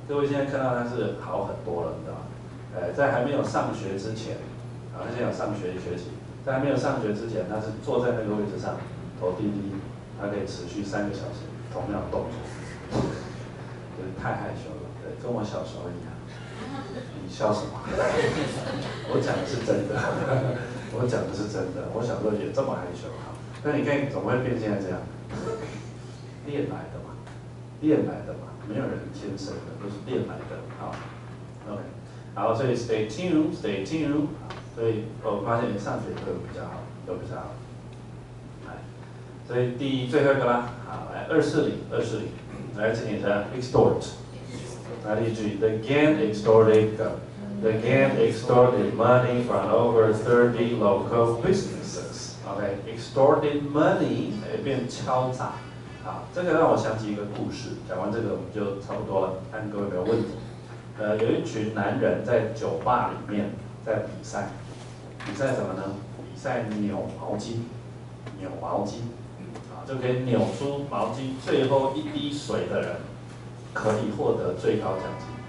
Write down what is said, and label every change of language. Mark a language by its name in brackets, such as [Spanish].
[Chinese] 各位现在看到他是好很多了，你知道吗？在还没有上学之前，啊，他现在有上学一学期，在还没有上学之前，他是坐在那个位置上，头低低，他可以持续三个小时同样动作，就是太害羞了，对，跟我小时候一样。你笑什么？我讲的是真的。我讲的是真的，我小时候也这么害羞哈。那你看，怎么会变现在这样？练来的嘛，练来的嘛，没有人天生的，都是练来的啊。 [English] OK， [Chinese] 好，所以 [English] stay tuned。 [Chinese] 所以我发现你上学都比较好，都比较好。来，所以第一最后一个啦，好，来240，来请你的 extort， 来例句 ， [English] the gang extorted。 The gang extorted money from over 30 local businesses. OK, extorted money [Chinese] 变敲诈。好，这个让我想起一个故事。讲完这个我们就差不多了，看各位有没有问题。有一群男人在酒吧里面在比赛，比赛什么呢？比赛扭毛巾，扭毛巾，啊，就可以扭出毛巾最后一滴水的人，可以获得最高奖金。